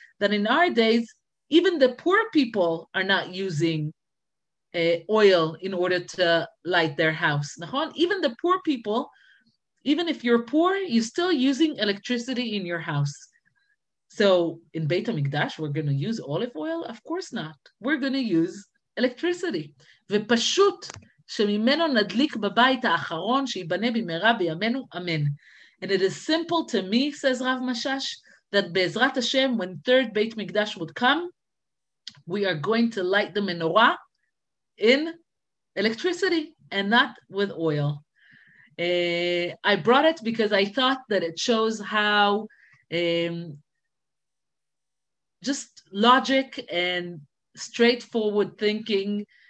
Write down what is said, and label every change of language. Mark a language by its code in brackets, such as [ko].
[en] That in our days, even the poor people are not using oil in order to light their house. נכון? Even the poor people, Even if you're poor, you're still using electricity in your house. So in Beit HaMikdash, we're going to use olive oil? Of course not. We're going to use electricity. [he] ופשוט שממנו נדליק בבית האחרון שיבנה במהרה בימינו, אמן. [en] And it is simple to me, says Rav Mashash, that בעזרת השם, when third Beit HaMikdash would come, we are going to light the menorah in electricity and not with oil. I brought it because I thought that it shows how just logic and straightforward thinking.